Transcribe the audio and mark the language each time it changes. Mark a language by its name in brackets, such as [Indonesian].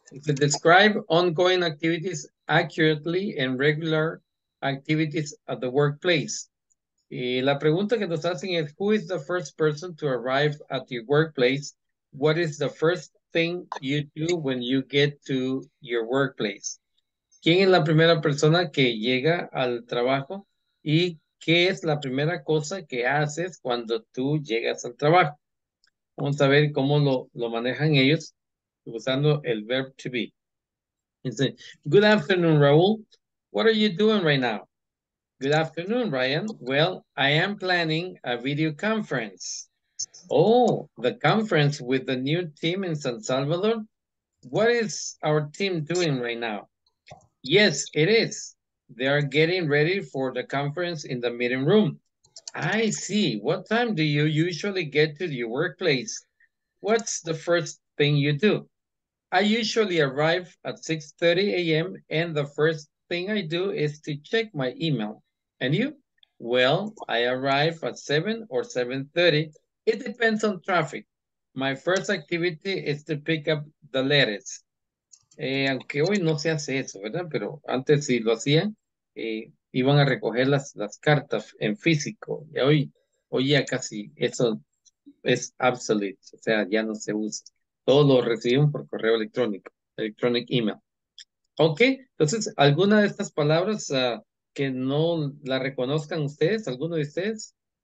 [English] To describe ongoing activities accurately and regular activities at the workplace. [Spanish] Y la pregunta que nos hacen es, [English] who is the first person to arrive at your workplace? What is the first thing you do when you get to your workplace? [Spanish] ¿Quién es la primera persona que llega al trabajo? ¿Y qué es la primera cosa que haces cuando tú llegas al trabajo? Vamos a ver cómo lo manejan ellos usando el verb to be. [English] Dice, good afternoon, Raúl. What are you doing right now? Good afternoon, Ryan. Well, I am planning a video conference. Oh, the conference with the new team in San Salvador? What is our team doing right now? Yes, it is. They are getting ready for the conference in the meeting room. I see. What time do you usually get to your workplace? What's the first thing you do? I usually arrive at 6:30 a.m. and the first thing I do is to check my email. And you? Well, I arrive at 7 or 7:30. It depends on traffic. My first activity is to pick up the letters. [Spanish] Aunque hoy no se hace eso, ¿verdad? Pero antes sí lo hacían, iban a recoger las cartas en físico. Y hoy ya casi eso es obsolete, o sea, ya no se usa. Todos lo reciben por correo electrónico, electronic email. Ok, entonces, ¿alguna de estas palabras que no la reconozcan ustedes, alguno de ustedes?